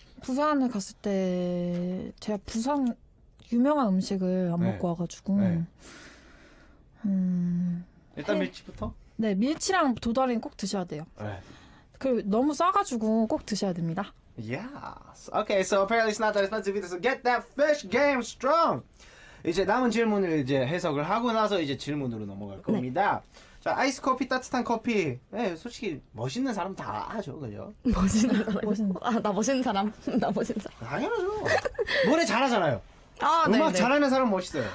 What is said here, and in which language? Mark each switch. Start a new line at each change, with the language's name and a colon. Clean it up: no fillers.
Korean: 부산을 갔을 때 제가 부산 유명한 음식을 안 네. 먹고 와가지고. 네. 일단 해. 밀치부터. 네, 밀치랑 도다리는 꼭 드셔야 돼요. 네. 그리고 너무 싸가지고 꼭 드셔야 됩니다.
English: Yes. Okay, so apparently it's not that expensive either. So get that fish game strong.
Korean: 이제 남은 질문을 이제 해석을 하고 나서 이제 질문으로 넘어갈 겁니다. 네. 자, 아이스 커피, 따뜻한 커피. 네, 솔직히 멋있는 사람 다 아죠, 그죠? 멋있는 사람. 나 멋있는 사람. 당연하죠. 노래 잘하잖아요. 아, 음악 네, 잘하는 네. 사람 멋있어요.